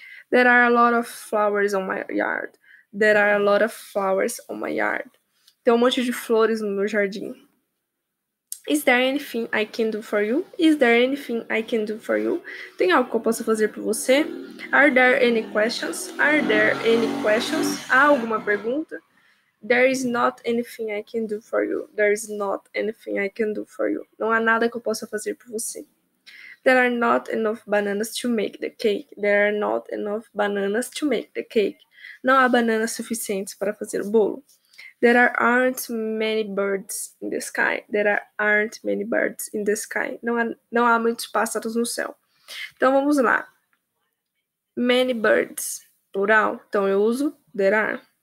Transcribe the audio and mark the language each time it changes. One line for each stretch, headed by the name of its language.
English: There are a lot of flowers on my yard. There are a lot of flowers on my yard.
Portuguese: Tem um monte de flores no meu jardim.
English: Is there anything I can do for you? Is there anything I can do for you?
Portuguese: Tem algo que eu possa fazer por você?
English: Are there any questions? Are there any questions?
Portuguese: Há alguma pergunta?
English: There is not anything I can do for you. There is not anything I can do for you.
Portuguese: Não há nada que eu possa fazer por você.
English: There are not enough bananas to make the cake. There are not enough bananas to make the cake.
Portuguese: Não há bananas suficientes para fazer o bolo.
English: There aren't many birds in the sky. There aren't many birds in the sky.
Portuguese: Não há muitos pássaros no céu. Então vamos lá.
English: Many birds, plural.
Portuguese: Então eu uso
English: there are.